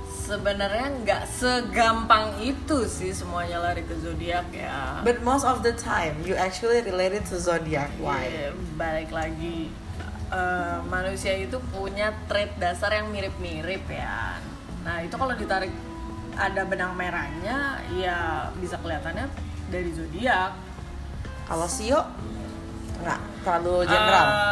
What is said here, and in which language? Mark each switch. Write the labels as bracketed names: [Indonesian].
[Indonesian] Sebenarnya nggak segampang itu sih semuanya lari ke zodiak ya. [English] But most of the time you actually related to zodiak. Why? [Indonesian] Balik lagi, manusia itu punya trait dasar yang mirip-mirip ya. Nah, itu kalau ditarik ada benang merahnya, ya bisa kelihatannya dari zodiak. Kalau Sio? Enggak, terlalu general.